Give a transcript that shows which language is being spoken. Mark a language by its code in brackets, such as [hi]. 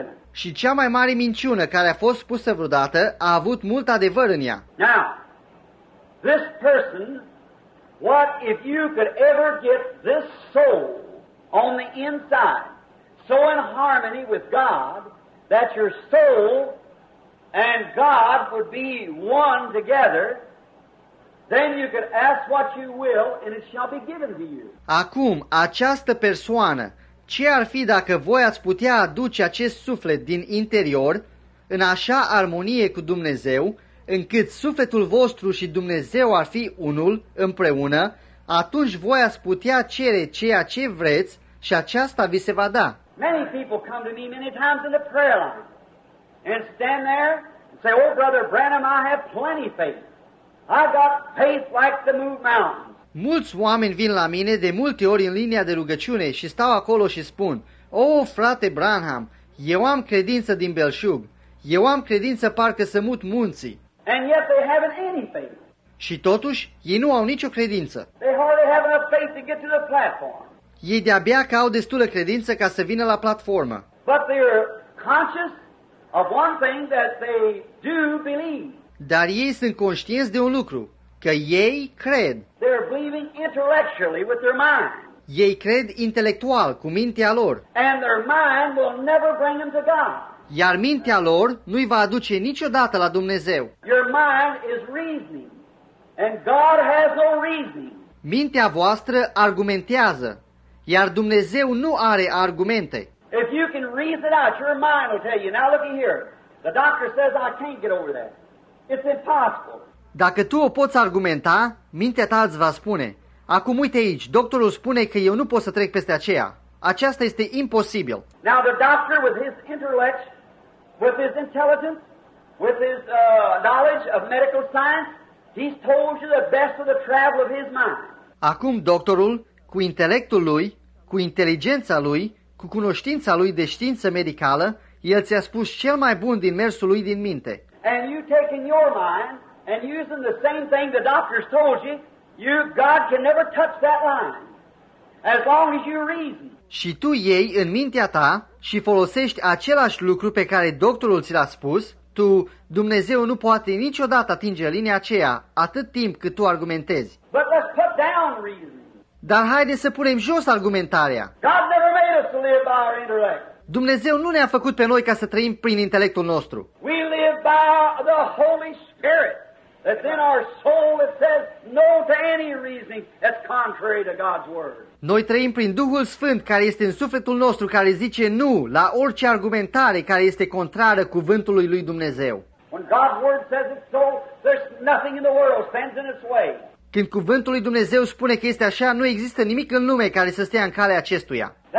[ro] Și cea mai mare minciună care a fost spusă vreodată a avut mult adevăr în ea. [en] Now, this person, what if you could ever get this soul on the inside, so in harmony with God, that your soul and God would be one together, then you could ask what you will and it shall be given to you. [ro] Acum, această persoană, ce ar fi dacă voi ați putea aduce acest suflet din interior în așa armonie cu Dumnezeu, încât sufletul vostru și Dumnezeu ar fi unul împreună, atunci voi ați putea cere ceea ce vreți și aceasta vi se va da. [en] Many people come to me many times in the prayer line. And stand there and say, "Oh, brother Branham, I have plenty of faith. I've got faith like to move mountains." [ro] Mulți oameni vin la mine de multe ori în linia de rugăciune și stau acolo și spun, "Oh, frate Branham, eu am credință din belșug. Eu am credință parcă să mut munții." [en] And yet they haven't any faith. [ro] Și totuși, ei nu au nicio credință. [en] They hardly have enough faith to get to the platform. [ro] Ei de-abia că au destulă credință ca să vină la platformă. [en] But they are conscious of one thing that they do believe. [ro] Dar ei sunt conștienți de un lucru, că ei cred. [en] They're believing intellectually with their mind. [ro] Ei cred intelectual cu mintea lor. [en] And their mind will never bring them to God. [ro] Iar mintea lor nu-i va aduce niciodată la Dumnezeu. [en] Your mind is reasoning, and God has no reasoning. [ro] Mintea voastră argumentează, iar Dumnezeu nu are argumente. [en] If you can reason out, your mind will tell you. Now look here. The doctor says I can't get over that. It's impossible. [ro] Dacă tu o poți argumenta, mintea ta îți va spune. Acum uite aici, doctorul spune că eu nu pot să trec peste aceea. Aceasta este imposibil. [en] Now the doctor with his intellect, with his intelligence, with his knowledge of medical science, he's told you the best of the travel of his mind. [ro] Acum doctorul, cu intelectul lui, cu inteligența lui, cu cunoștința lui de știință medicală, el ți-a spus cel mai bun din mersul lui din minte. [en] And you take in your mind and using the same thing the doctor's told you, you God can never touch that line as long as you reason. [ro] Și tu iei în mintea ta și folosești același lucru pe care doctorul ți l-a spus, tu Dumnezeu nu poate niciodată atinge linia aceea atât timp cât tu argumentezi. [en] But let's put down reason. [ro] Dar haideți să punem jos argumentarea. [en] God never made us to live by our intellect. [ro] Dumnezeu nu ne-a făcut pe noi ca să trăim prin intelectul nostru. [en] We live by the Holy Spirit that's in our soul that says no to any reasoning that's contrary to God's word. [ro] Noi trăim prin Duhul Sfânt care este în sufletul nostru care zice nu la orice argumentare care este contrară cuvântului lui Dumnezeu. [en] When God's word says it's so, there's nothing in the world stands in its way. [ro] Când cuvântul lui Dumnezeu spune că este așa, nu există nimic în lume care să stea în calea acestuia.